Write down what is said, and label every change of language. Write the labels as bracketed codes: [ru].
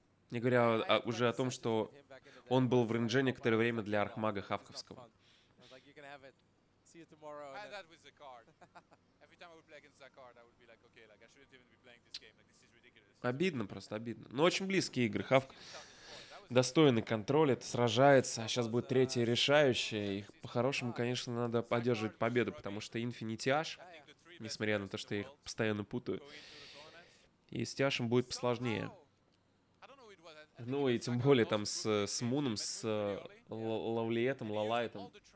[ru] Не говоря уже о том, что он был в рейнже некоторое время для архмага Хавковского. [en] See you tomorrow. I had that with the card. Every time I would play against that card, I would be like, okay, like I shouldn't even be playing this game. Like this is ridiculous. [ru] Обидно, просто обидно. Но очень близкие игры. Хавк достойный контролит, сражается. Сейчас будет третья решающая. И по-хорошему, конечно, надо поддерживать победу, потому что Инфи не Тиаш, несмотря на то, что я их постоянно путаю. И с Тиашем будет посложнее. Ну и тем более там с Муном, с Лавлиетом, Лалайтом.